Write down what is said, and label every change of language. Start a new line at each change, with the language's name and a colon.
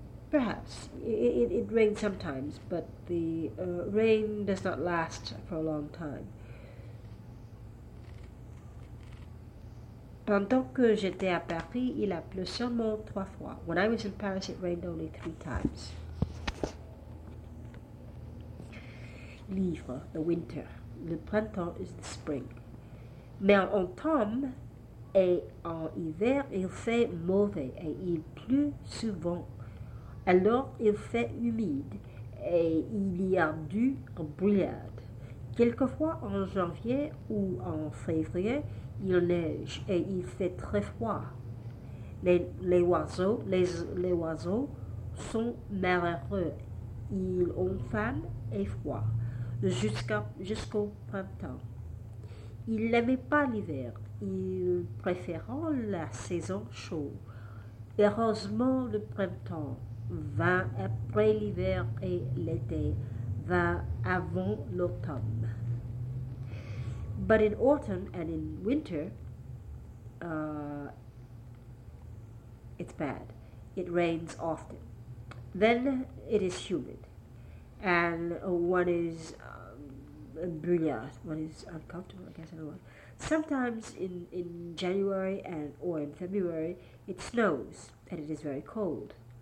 English: Perhaps. It rains sometimes, but the rain does not last for a long time.
French: Pendant que j'étais à Paris, il a plu seulement trois fois.
English: When I was in Paris, it rained only three times. Livre, the winter. Le printemps is the spring.
French: Mais en automne et en hiver, il fait mauvais et il pleut souvent. Alors, il fait humide et il y a du brouillard. Quelquefois, en janvier ou en février, il neige et il fait très froid. Les oiseaux sont malheureux. Ils ont faim et froid jusqu'au printemps. Ils n'aimaient pas l'hiver. Ils préféraient la saison chaude. Heureusement, le printemps vint après l'hiver et l'été vint avant l'automne.
English: But in autumn and in winter, it's bad. It rains often. Then it is humid, and one is brouillard. One is uncomfortable, I guess. Sometimes in January and or in February, it snows and it is very cold.